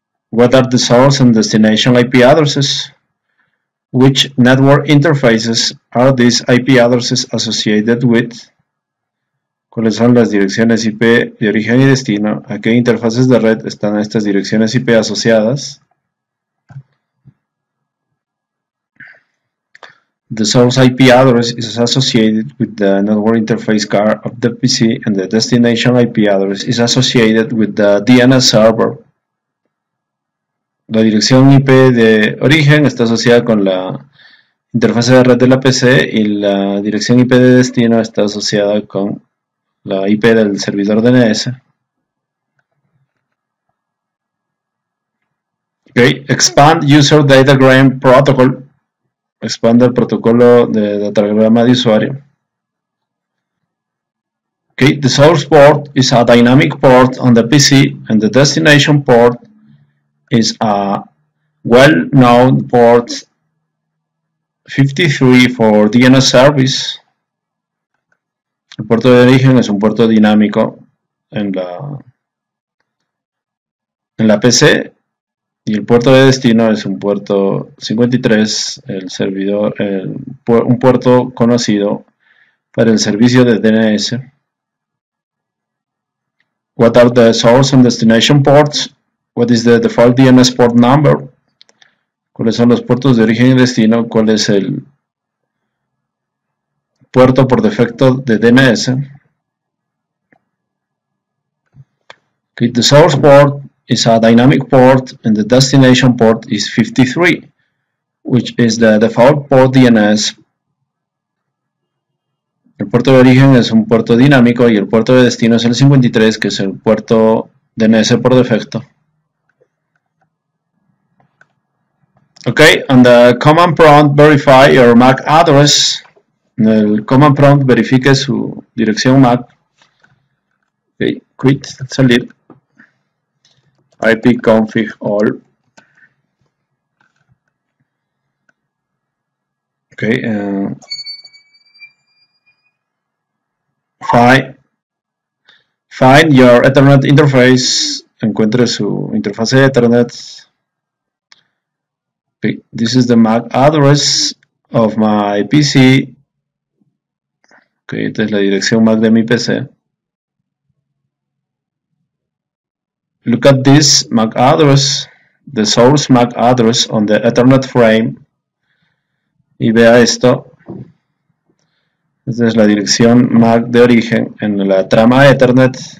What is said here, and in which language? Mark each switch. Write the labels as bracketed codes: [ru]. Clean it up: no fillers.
[en] What are the source and destination IP addresses? Which network interfaces are these IP addresses associated with? [es] ¿Cuáles son las direcciones IP de origen y destino? ¿A qué interfaces de red están estas direcciones IP asociadas? [en] The source IP address is associated with the network interface card of the PC, and the destination IP address is associated with the DNS server. [es] La dirección IP de origen está asociada con la interfaz de red de la PC y la dirección IP de destino está asociada con la IP del servidor DNS. [en] Okay. Expand User Datagram Protocol. [es] Expande el protocolo de datagrama de usuario. [en] Okay. The source port is a dynamic port on the PC and the destination port is a well-known port 53 for DNS service. [es] El puerto de origen es un puerto dinámico en la PC y el puerto de destino es un puerto 53, un puerto conocido para el servicio de DNS. [en] What are the source and destination ports? What is the default DNS port number? [es] ¿Cuáles son los puertos de origen y destino? ¿Cuál es el puerto por defecto de DNS? [en] Okay, the source port is a dynamic port and the destination port is 53, which is the default port DNS. [es] El puerto de origen es un puerto dinámico y el puerto de destino es el 53, que es el puerto DNS por defecto. [en] Okay, on the command prompt, verify your MAC address. [es] En el command prompt, verifique su dirección MAC. [en] Okay, quit, salir. ipconfig all. Okay, find your Ethernet interface. [es] Encuentre su interfase de Ethernet. [en] This is the MAC address of my PC. [es] Okay, esta es la dirección MAC de mi PC. [en] Look at this MAC address, the source MAC address on the Ethernet frame. [es] Y vea esto. Esta es la dirección MAC de origen en la trama Ethernet.